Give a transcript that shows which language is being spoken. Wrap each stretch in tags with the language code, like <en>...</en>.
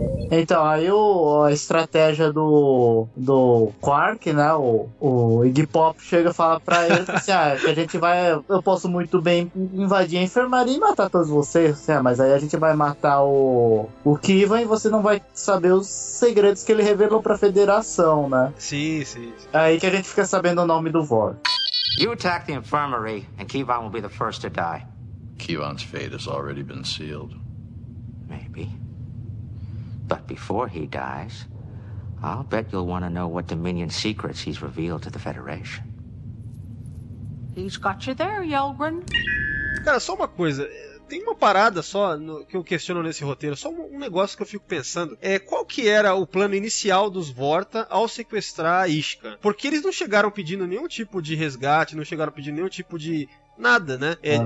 <pt>Então, aí a estratégia do Quark, né, o Iggy Pop chega e fala pra ele, assim, que a gente vai, eu posso muito bem invadir a enfermaria e matar todos vocês, assim, mas aí a gente vai matar o Kivan e você não vai saber os segredos que ele revelou pra Federação, né? Sim. Aí que a gente fica sabendo o nome do Vor.</pt> <en>You attack the infirmary and Kivan will be the first to die. Kivan's fate has already been sealed. Maybe. But before he dies, I'll bet you'll want to know what Dominion secrets he's revealed to the Federation. He's got you there, Yelgren.</en> <pt>Cara, só uma coisa. Tem uma parada só que eu questiono nesse roteiro. Só um negócio que eu fico pensando. Qual que era o plano inicial dos Vorta ao sequestrar a Ishka? Porque eles não chegaram pedindo nenhum tipo de resgate, não chegaram pedindo nenhum tipo de... Nada, né?</pt>